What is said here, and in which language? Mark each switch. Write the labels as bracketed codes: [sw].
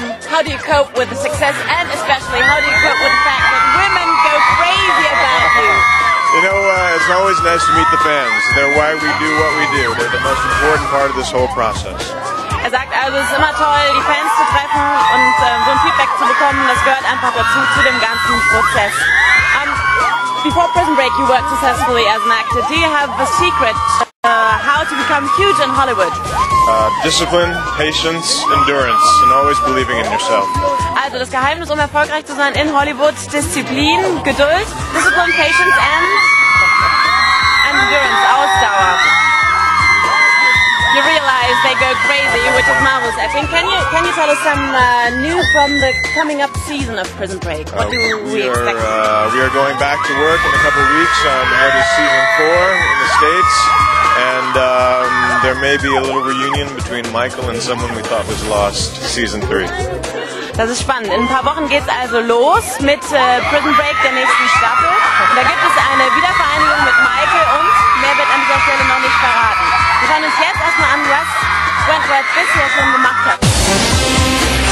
[en] How do you cope with the success, and especially, how do you cope with the fact that women go crazy about you? You know, it's always nice to meet the fans. They're why we do what we do. They're the most important part of this whole process. [de] Er sagt also, es ist immer toll, die Fans zu treffen und so ein Feedback zu bekommen. Das gehört einfach dazu, zu dem ganzen Prozess. [en] Before Prison Break, you worked successfully as an actor. Do you have the secret how to become huge in Hollywood? Discipline, patience, endurance, and always believing in yourself. [de] Also, das Geheimnis, um erfolgreich zu sein in Hollywood, Disziplin, Geduld, [en] Discipline, patience, and endurance, [de] Ausdauer. [en] You realize they go crazy, which is marvelous. I think. Can you tell us some new from the coming up season of Prison Break? What do we expect? We are going back to work in a couple of weeks on season 4 in the States, and there may be a little reunion between Michael and someone we thought was lost, season 3. [de] Das ist spannend. In ein paar Wochen geht's also los mit Prison Break, der nächsten Staffel. Da gibt es eine Wiedervereinigung mit Michael und mehr wird an dieser Stelle noch nicht verraten. Wir schauen uns jetzt erstmal an, was Wentworth bisher schon gemacht hat.